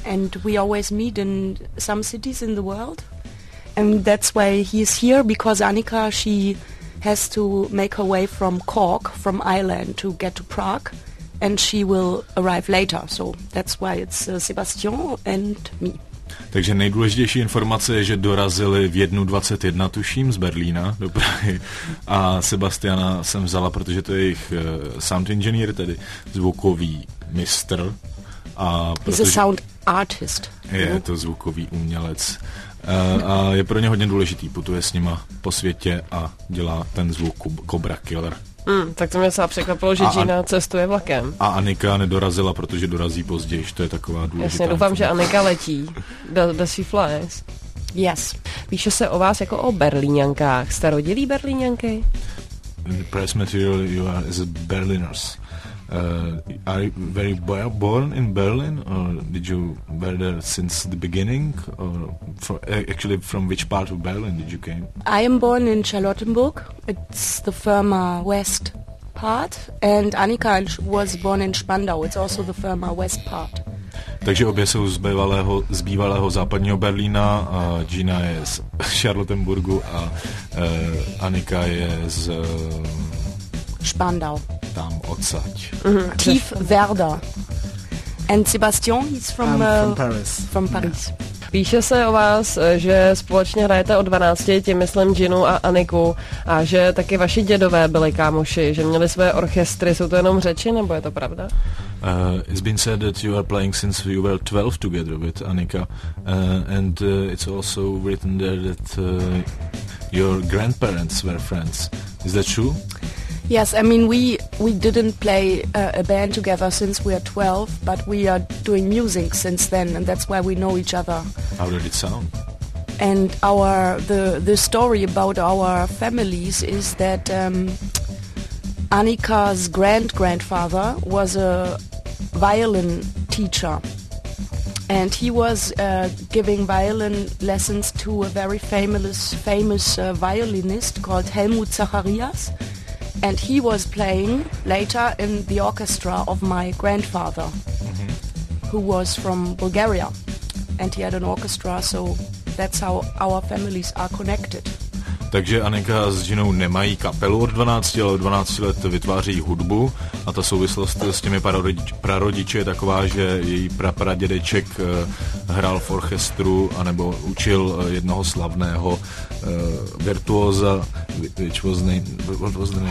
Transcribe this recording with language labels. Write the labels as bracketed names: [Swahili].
[English] and we always meet in some cities in the world, and that's why he's here, because Annika, she has to make her way from Cork, from Ireland, to get to Prague, and she will arrive later, so that's why it's Sebastian and me. [Czech] Takže nejdůležitější informace je, že dorazili v 1:21, tuším, z Berlína do Prahy, a Sebastiana jsem vzala, protože to je jejich sound engineer, tedy zvukový mistr. A protože [English] he's a sound artist. [Czech] Je to zvukový umělec. A je pro ně hodně důležitý, putuje s nima po světě a dělá ten zvuk Cobra Killer. Tak to mě se překvapilo, že Gina cestuje vlakem. A Anika nedorazila, protože dorazí později, to je taková důležitá. Jasně, doufám, že Anika letí. [English] Does she fly? Yes. [Czech] Píše se o vás jako o Berlíňankách. Jste rodilí Berlíňanky? [English] The press material you are is Berliners. Are you very born in Berlin, or did you were there since the beginning, or for, actually from which part of Berlin did you came? I am born in Charlottenburg, it's the former west part, and Annika was born in Spandau, it's also the former west part. [Czech] Takže obě jsou z bývalého západního Berlína, a Gina je z Charlottenburgu a Annika je z Spandau. Tam odsaď. [English] Mm-hmm. Tief Werder. And Sebastian is from Paris. From Paris. Yeah. [Czech] Píše se o vás, že společně hrajete od 12, tím myslím Ginu a Aniku, a že taky vaši dědové byli kámoši, že měli své orchestry. Jsou to jenom řeči, nebo je to pravda? [English] It's been said that you are playing since you were 12 together with Anika. And it's also written there that your grandparents were friends. Is that true? Yes, I mean, we didn't play a band together since we are 12, but we are doing music since then, and that's why we know each other. How did it sound? And the story about our families is that Annika's grandfather was a violin teacher, and he was giving violin lessons to a very famous violinist called Helmut Zacharias. And he was playing later in the orchestra of my grandfather, who was from Bulgaria. And he had an orchestra, so that's how our families are connected. [Czech] Takže Anika s Ginou nemají kapelu od 12, ale od 12 let vytváří hudbu. A ta souvislost s těmi prarodiči je taková, že její prapradědeček hrál v orchestru anebo učil jednoho slavného virtuóza, [English] which was name, what was the name?